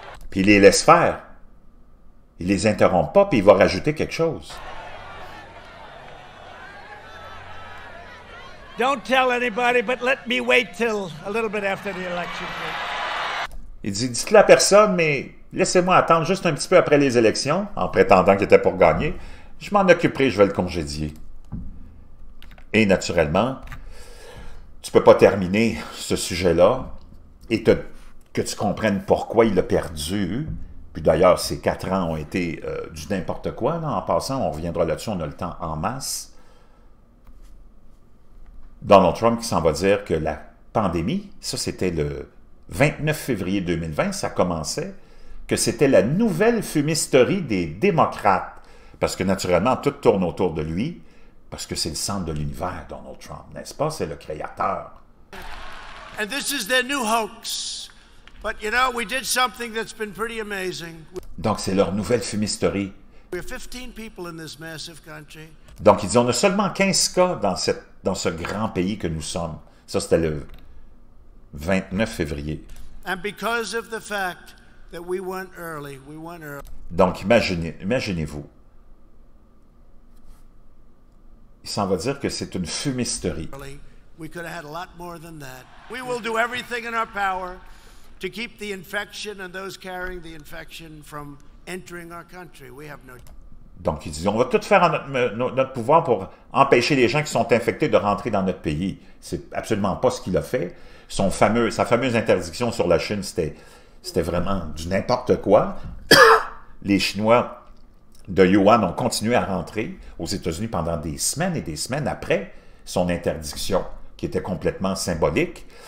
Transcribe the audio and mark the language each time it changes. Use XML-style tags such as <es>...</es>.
<fr>Puis il les laisse faire. Il les interrompt pas, puis il va rajouter quelque chose.</fr> <en>Don't tell anybody, but let me wait till a little bit after the election.</en> <fr>Il dit, dites-le à personne, mais laissez-moi attendre juste un petit peu après les élections, en prétendant qu'il était pour gagner. Je m'en occuperai, je vais le congédier. Et naturellement, tu peux pas terminer ce sujet-là et que tu comprennes pourquoi il a perdu. Puis d'ailleurs, ces 4 ans ont été du n'importe quoi. Là. En passant, on reviendra là-dessus, on a le temps en masse. Donald Trump qui s'en va dire que la pandémie, ça c'était le 29 février 2020, ça commençait, que c'était la nouvelle fumisterie des démocrates. Parce que naturellement, tout tourne autour de lui, parce que c'est le centre de l'univers, Donald Trump, n'est-ce pas? C'est le créateur.</fr> <en>And this is their new hoax. But you know, we did something that's been pretty amazing.</en> <fr>Donc c'est leur nouvelle fumisterie.</fr> <en>We have 15 people in this massive country.</en> <fr>Donc ils disent, on a seulement 15 cas dans ce grand pays que nous sommes. Ça, c'était le 29 février.</fr> <en>And because of the fact that we went early, we went early.</en> <fr>Donc imaginez-vous. Il s'en va dire que c'est une fumisterie.</fr> <en>We could have had a lot more than that. We will do everything in our power to keep the infection and those carrying the infection from entering our country. We have no...</en> <fr>Donc, il dit, on va tout faire en notre pouvoir pour empêcher les gens qui sont infectés de rentrer dans notre pays. C'est absolument pas ce qu'il a fait. Sa fameuse interdiction sur la Chine, c'était vraiment du n'importe quoi. Les Chinois de Wuhan ont continué à rentrer aux États-Unis pendant des semaines et des semaines après son interdiction, qui était complètement symbolique.</fr>